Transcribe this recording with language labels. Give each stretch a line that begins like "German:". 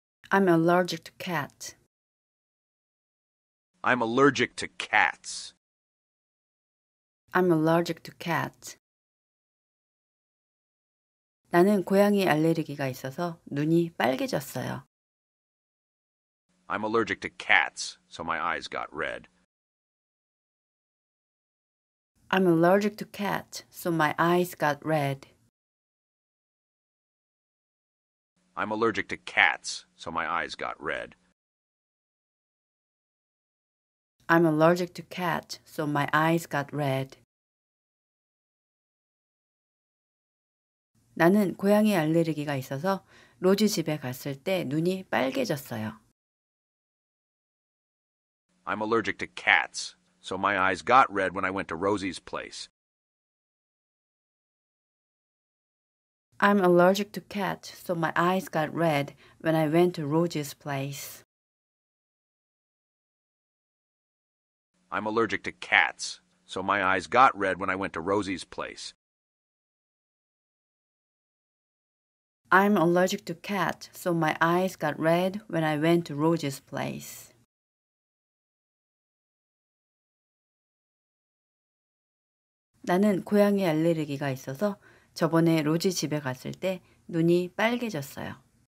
English: I'm allergic to cats. I'm allergic to cats. I'm allergic to cats.
Korean: 나는 고양이 알레르기가 있어서 눈이 빨개졌어요.
English: I'm allergic to cats, so my eyes got red. I'm allergic to cats, so my eyes got red. I'm allergic to cats, so my eyes got red. I'm allergic to cats, so my eyes got red.
Korean: 나는 고양이 알레르기가 있어서 로지 집에 갔을 때 눈이 빨개졌어요.
English: I'm allergic to cats, so my eyes got red when I went to Rosy's place. I'm allergic to cats, so my eyes got red when I went to Rosy's place. I'm allergic to cats, so my eyes got red when I went to Rosy's place. I'm allergic to cats, so my eyes got red when I went to Rosy's place.
Korean: 나는 고양이 알레르기가 있어서 저번에 로지 집에 갔을 때 눈이 빨개졌어요.